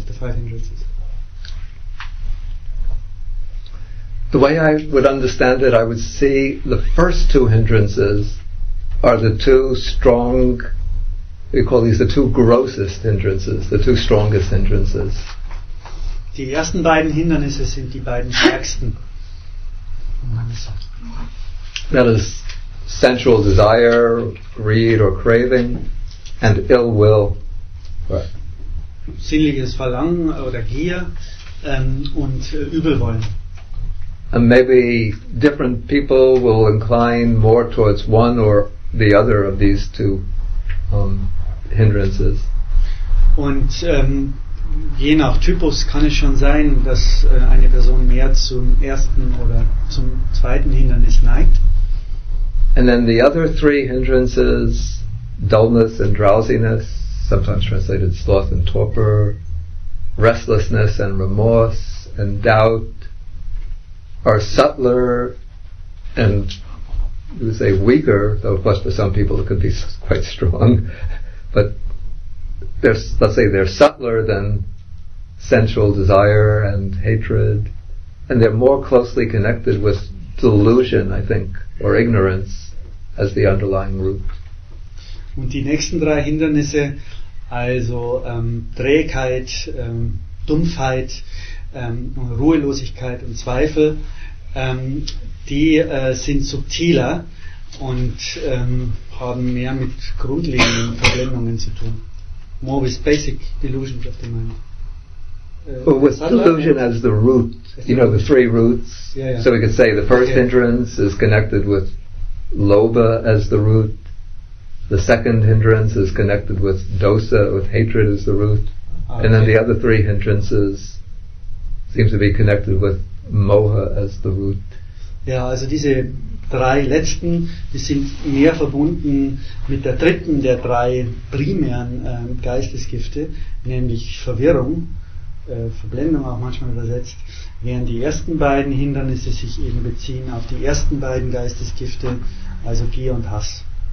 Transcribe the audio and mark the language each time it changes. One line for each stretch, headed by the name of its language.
English: Of the 5 hindrances. The way I would understand it, I would see the first 2 hindrances are the 2 strong, we call these the 2 grossest hindrances, the 2 strongest hindrances.
German: Die ersten beiden Hindernisse sind die beiden stärksten.
English: That is sensual desire, greed or craving. And ill will.
German: Sinnliches Verlangen oder Gier und Übelwollen.
English: And maybe different people will incline more towards one or the other of these 2 hindrances.
German: Und je nach Typus kann es schon sein, dass eine Person mehr zum ersten oder zum zweiten Hindernis neigt.
English: And then the other 3 hindrances. Dullness and drowsiness, sometimes translated sloth and torpor, restlessness and remorse and doubt, are subtler and, you say, weaker, though of course for some people it could be quite strong, but let's say they're subtler than sensual desire and hatred, and they're more closely connected with delusion, I think, or ignorance as the underlying root.
German: Und die nächsten 3 Hindernisse, also Trägheit, Dumpfheit, Ruhelosigkeit und Zweifel, die sind subtiler und haben mehr mit grundlegenden Verblendungen zu tun.
English: More with basic delusions of the mind. Well, with delusion as the root, you know, the 3 roots. Yeah. So we could say the first hindrance is connected with lobha as the root. The second hindrance is connected with dosa, with hatred as the root. Okay. And then the other 3 hindrances seem to be connected with moha as the root.
German: Ja, also diese 3 letzten, die sind mehr verbunden mit der 3. der 3 primären Geistesgifte, nämlich Verwirrung, Verblendung auch manchmal übersetzt, während die ersten beiden Hindernisse sich eben beziehen auf die ersten beiden Geistesgifte, also Gier und Hass.